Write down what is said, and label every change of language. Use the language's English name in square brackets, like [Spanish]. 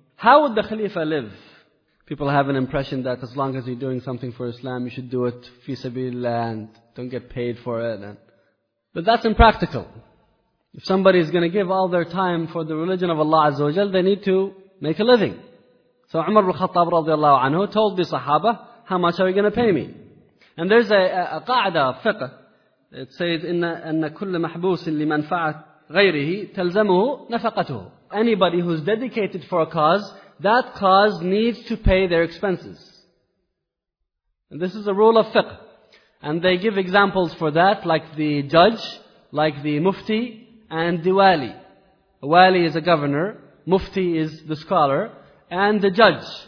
[English] How would the Khalifa live? People have an impression that as long as you're doing something for Islam, you should do it fi sabilillah and don't get paid for it. But that's impractical. If somebody is going to give all their time for the religion of Allah Azza wa Jal, they need to make a living. So Umar ibn Khattab radiallahu anhu told the Sahaba, how much are you going to pay me? And there's a qa'da of fiqh. It says, [Arabic] إِنَّ كُلَّ مَحْبُوسٍ لِمَنْفَعَةٍ غَيْرِهِ تَلْزَمُهُ نَفَقَتُهُ. [English] Anybody who's dedicated for a cause, that cause needs to pay their expenses. And this is a rule of fiqh. And they give examples for that, like the judge, like the mufti, and the wali. Wali is a governor, mufti is the scholar, and the judge.